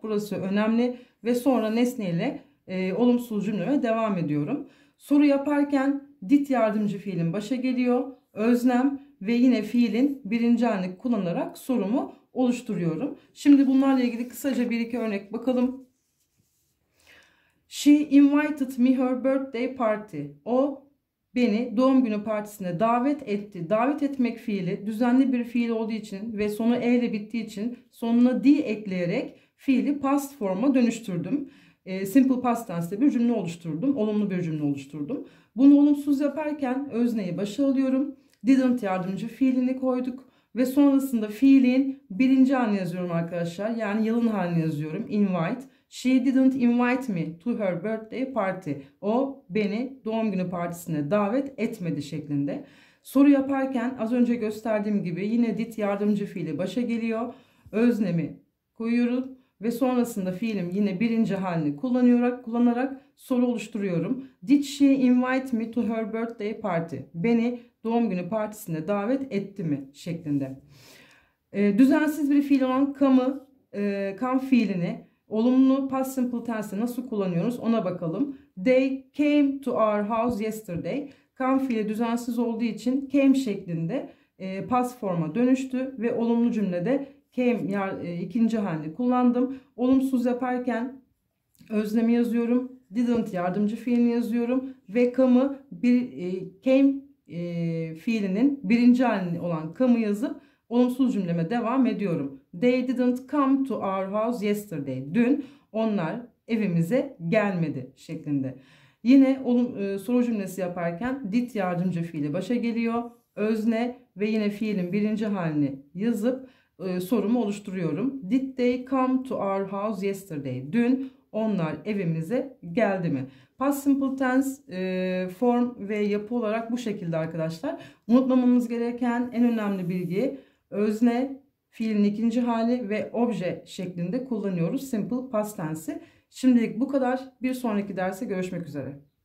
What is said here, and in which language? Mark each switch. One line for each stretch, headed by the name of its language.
Turkish: Burası önemli ve sonra nesne ile olumsuz cümleme devam ediyorum. Soru yaparken did yardımcı fiilin başa geliyor. Öznem ve yine fiilin birinci anlık kullanarak sorumu oluşturuyorum. Şimdi bunlarla ilgili kısaca bir iki örnek bakalım.
English: She invited me her birthday party.
Turkish: O beni doğum günü partisine davet etti. Davet etmek fiili düzenli bir fiil olduğu için ve sonu e ile bittiği için sonuna d ekleyerek fiili past form'a dönüştürdüm. Simple past tense'de bir cümle oluşturdum. Olumlu bir cümle oluşturdum. Bunu olumsuz yaparken özneyi başa alıyorum. Didn't yardımcı fiilini koyduk. Ve sonrasında fiilin birinci halini yazıyorum arkadaşlar. Yani yılın halini yazıyorum.
English: Invite. She didn't invite me to her birthday party.
Turkish: O beni doğum günü partisine davet etmedi şeklinde. Soru yaparken az önce gösterdiğim gibi yine did yardımcı fiili başa geliyor. Öznemi koyuyorum. Ve sonrasında fiilim yine birinci halini kullanarak soru oluşturuyorum.
English: Did she invite me to her birthday party?
Turkish: Beni doğum günü partisine davet etti mi? Şeklinde. Düzensiz bir fiil olan come fiilini olumlu past simple tense'de nasıl kullanıyoruz ona bakalım.
English: They came to our house yesterday.
Turkish: Come fiili düzensiz olduğu için came şeklinde past form'a dönüştü ve olumlu cümlede came ikinci halini kullandım. Olumsuz yaparken özlemi yazıyorum. Didn't yardımcı fiilini yazıyorum. Ve come'ı came fiilinin birinci halini olan come'ı yazıp olumsuz cümleme devam ediyorum.
English: They didn't come to our house yesterday.
Turkish: Dün onlar evimize gelmedi şeklinde. Yine soru cümlesi yaparken did yardımcı fiili başa geliyor. Özne ve yine fiilin birinci halini yazıp sorumu oluşturuyorum.
English: Did they come to our house yesterday?
Turkish: Dün onlar evimize geldi mi? Past simple tense form ve yapı olarak bu şekilde arkadaşlar. Unutmamamız gereken en önemli bilgi özne, fiilin ikinci hali ve obje şeklinde kullanıyoruz simple past tense'i. Şimdilik bu kadar. Bir sonraki derse görüşmek üzere.